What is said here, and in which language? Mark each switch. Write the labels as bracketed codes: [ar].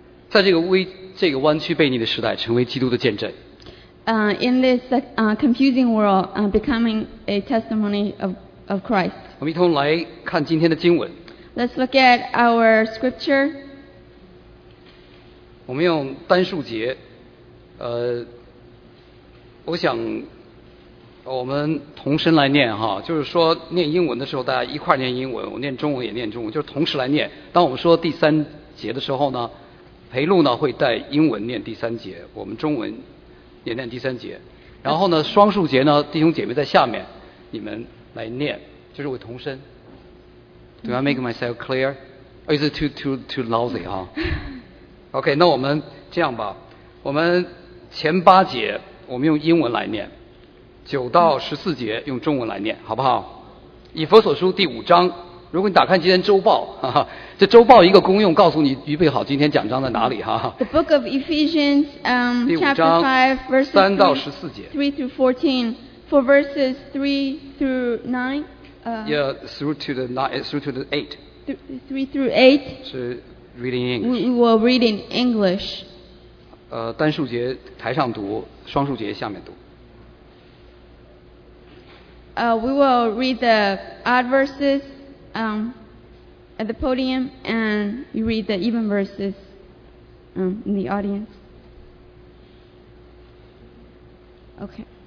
[zh] 在这个弯曲悖逆的时代，成为基督的见证。 [en] In this confusing world, becoming a testimony of Christ. [zh] 我们一同来看今天的经文。 [en] Let's look at our scripture. [zh] 我们用单数节，我想。我们同声来念哈，就是说念英文的时候，大家一块念英文，我念中文也念中文，就是同时来念。当我们说第三节的时候呢，裴璐呢会带英文念第三节，我们中文也念第三节。然后呢，双数节呢，弟兄姐妹在下面，你们来念，就是会同声。 [en] Do I make myself clear? Or is it too lousy? [zh] OK, 那我们这样吧，我们前八节我们用英文来念。九到十四节用中文来念，好不好？以弗所书第五章，如果你打开今天周报，这周报一个功用，告诉你预备好今天讲章在哪里哈。 [en] The Book of Ephesians, chapter 5, verses [zh] 三到十四节 [en] ，three through 14, for verses 3 through 9. Yeah, through to the eight. Three through 8. 是 reading English. We will read in English. [zh] 单数节台上读，双数节下面读。 [en] We will read the odd verses at the podium, and you read the even verses in the audience. Okay.